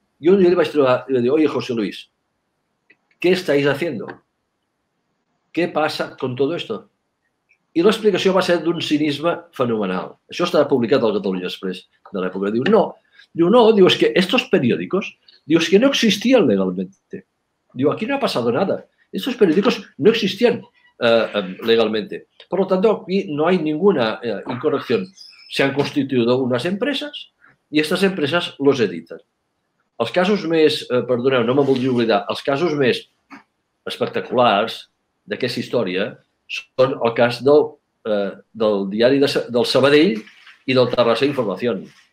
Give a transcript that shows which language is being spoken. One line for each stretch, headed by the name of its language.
Catalan: I un dia li vaig trobar i li vaig dir:
Spanish: oye, José Luis, ¿qué estáis haciendo? ¿Qué pasa con todo esto?
Catalan: I l'explicació va ser d'un cinisme fenomenal. Això estava publicat al Catalunya Express de l'època.
Spanish: Diu, es que estos periódicos, diu, es que no existían legalmente. Diu, aquí no ha pasado nada. Estos periódicos no existían legalmente. Por lo tanto, aquí no hay ninguna incorrección. Se han constituido unas empresas y estas empresas los editan.
Catalan: Els casos més, perdoneu, no me'n voldria oblidar, els casos més espectaculars d'aquesta història són el cas del diari del Sabadell i del Terrassa Información.